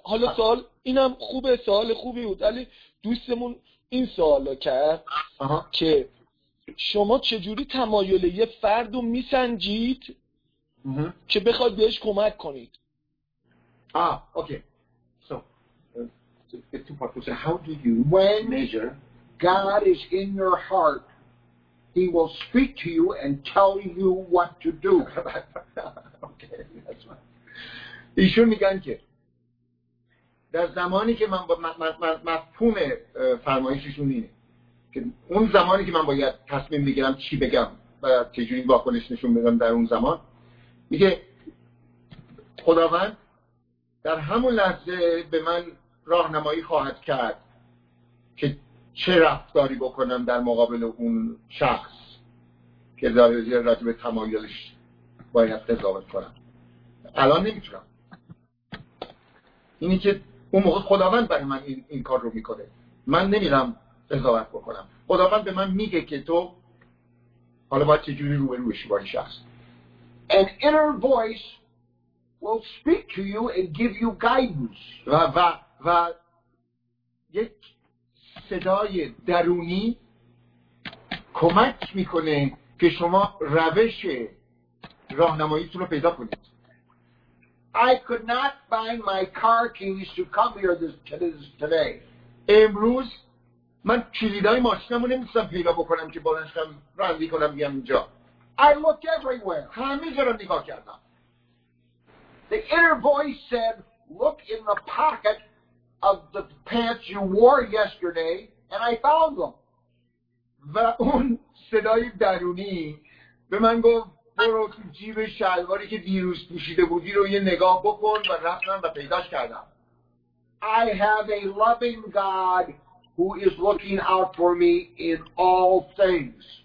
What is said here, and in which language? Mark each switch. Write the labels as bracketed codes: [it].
[fa] حالا سوال اینم خوبه، سوال خوبی بود، ولی دوستمون این سوال رو کرد که شما چجوری تمایل یه فرد رو میسنجید که بخواد بهش کمک کنید؟ [en] Okay. So, two part question. How do you when measure God is in your heart, he will speak to you and tell you what to do. Okay, that's right. [fa] ایشون میگن که در زمانی که من با مفهوم فرمایششون اینه که اون زمانی که من باید تصمیم بگیرم چی بگم و چجوری واکنش نشون بدم در اون زمان، میگه خداوند در همون لحظه به من راهنمایی خواهد کرد که چه رفتاری بکنم در مقابل اون شخص که در زیر رجب تمایلش باید قضاوت کنم. الان نمیتونم. اینی که اون موقع خداوند برای من این کار رو میکنه، من نمیرم قضاوت بکنم. خداوند به من میگه که تو حالا باید چجوری رو به روشی با این شخص. [en] An inner voice will speak to you and give you guidance. [fa] و یک صدای درونی کمک میکنه که شما روش راهنماییتون رو پیدا کنید. [en] I could not find my car keys to come here this today. [fa] امروز من کلیدای ماشینمو نمیتونم پیدا بکنم که بالاشم رانندگی کنم بیام اینجا. [en] I looked everywhere. [fa] همه جا رو نگاه کردم. [en] The inner voice said, "Look in the pocket of the pants you wore yesterday," and I found them. [fa] و اون صدای درونی به من گفت برو تو جیب شلواری که دیروز پوشیده بودی رو یه نگاه بکن و رفتم و پیداش کردم. [en] I have a loving God who is looking out for me in all things.